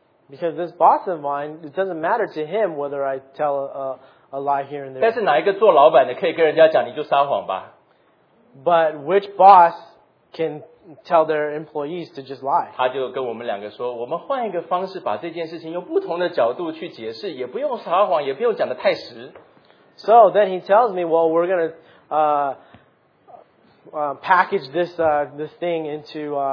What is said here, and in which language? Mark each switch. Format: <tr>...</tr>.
<en>Because this boss of mine, it doesn't matter to him whether I tell a lie here and there.</en> <zh>但是哪一个做老板的可以跟人家讲你就撒谎吧。</zh> <en>But which boss can tell their employees to just lie?</en> <zh>他就跟我们两个说我们换一个方式把这件事情用不同的角度去解释也不用撒谎也不用讲得太实。</zh> <en>So then he tells me, well, we're going to package this this thing into</en>